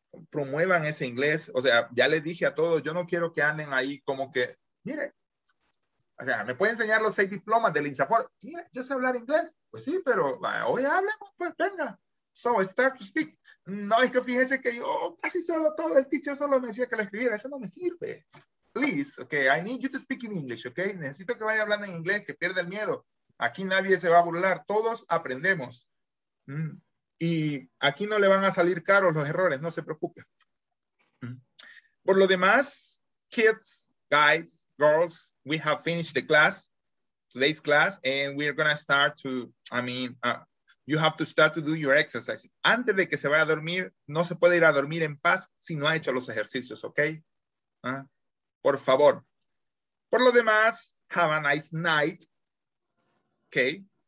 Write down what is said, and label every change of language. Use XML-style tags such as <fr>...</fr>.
<es>Promuevan ese inglés. O sea, ya les dije a todos, yo no quiero que anden ahí como que. Mire, o sea, ¿me puede enseñar los 6 diplomas del INSAFOR? Mire, yo sé hablar inglés. Pues sí, pero hoy hablemos, pues venga.</es> <en>So, start to speak.</en> <es>No, es que fíjese que yo casi solo todo, el teacher solo me decía que lo escribiera. Eso no me sirve.</es> <en>Please, okay, I need you to speak in English, okay?</en> <es>Necesito que vaya hablando en inglés, que pierda el miedo. Aquí nadie se va a burlar, todos aprendemos. Y aquí no le van a salir caros los errores, no se preocupe. Por lo demás,</es> <en>kids, guys, girls, we have finished the class, today's class, and we're going to start to, you have to start to do your exercises.</en> <es>Antes de que se vaya a dormir, no se puede ir a dormir en paz si no ha hecho los ejercicios, ¿ok? Por favor. Por lo demás,</es> <en>have a nice night, ¿ok?</en>